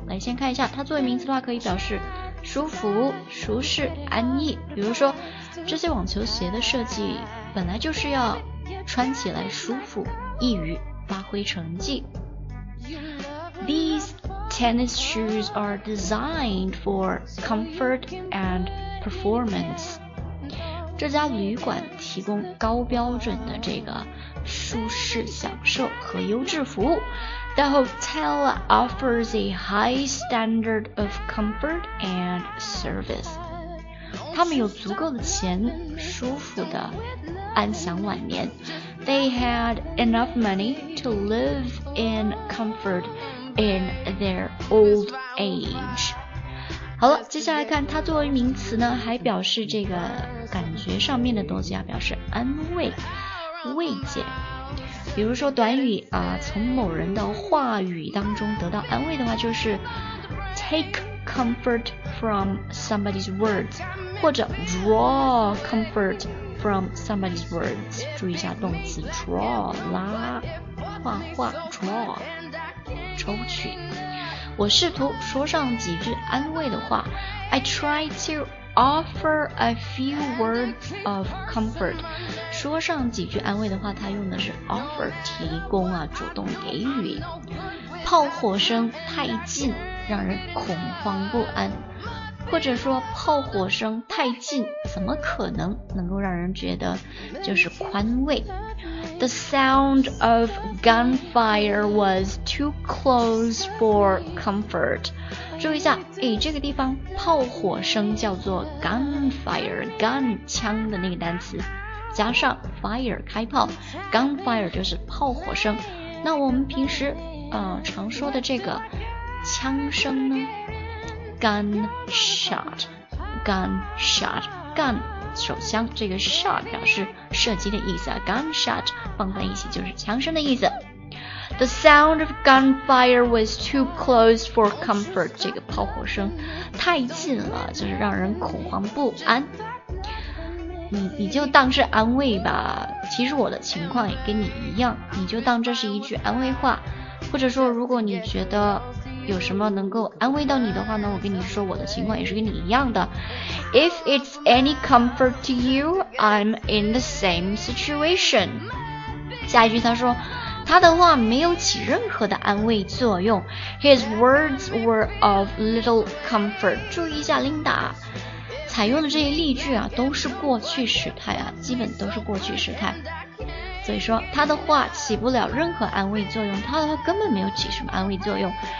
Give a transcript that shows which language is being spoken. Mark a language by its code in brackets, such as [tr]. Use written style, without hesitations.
[zh] 来先看一下，它作为名词的话可以表示舒服、舒适、安逸。比如说，这些网球鞋的设计本来就是要穿起来舒服，易于发挥成绩。 [en] These tennis shoes are designed for comfort and performance。 [zh] 这家旅馆提供高标准的这个舒适享受和优质服务。 [en] The hotel offers a high standard of comfort and service. [zh] 他们有足够的钱，舒服的安享晚年。 [en] They had enough money to live in comfort in their old age. [zh] 好了，接下来看它作为名词呢，还表示这个感觉上面的东西啊，表示安慰、慰藉。比如说短语啊，从某人的话语当中得到安慰的话，就是 [en] take comfort from somebody's words， [zh] 或者 [en] draw comfort from somebody's words。 [zh] 注意一下动词 draw 拉，画画 draw 抽取。我试图说上几句安慰的话。 [en] I try to offer a few words of comfort. [zh] 说上几句安慰的话，它用的是 offer， 提供啊，主动给予。炮火声太近，让人恐慌不安。或者说炮火声太近，怎么可能能够让人觉得就是宽慰。 [en] The sound of gunfire was too close for comfort. [zh] 注意一下，哎，这个地方炮火声叫做 gunfire， gun 枪的那个单词，加上 fire 开炮， gunfire 就是炮火声。那我们平时常说的这个枪声呢？ [en] gunshot， gunshot， gun。 [zh] 手枪，这个 shot 表示射击的意思啊， gunshot 放在一起就是枪声的意思。 [en] The sound of gunfire was too close for comfort， [zh] 这个炮火声太近了，就是让人恐慌不安。你就当是安慰吧，其实我的情况也跟你一样，你就当这是一句安慰话。或者说如果你觉得有什么能够安慰到你的话呢，我跟你说我的情况也是跟你一样的。 [en] If it's any comfort to you, I'm in the same situation. [zh] 下一句他说，他的话没有起任何的安慰作用。 [en] His words were of little comfort. [zh] 注意一下 Linda 采用的这些例句啊，都是过去时态啊，基本都是过去时态。所以说他的话起不了任何安慰作用，他的话根本没有起什么安慰作用。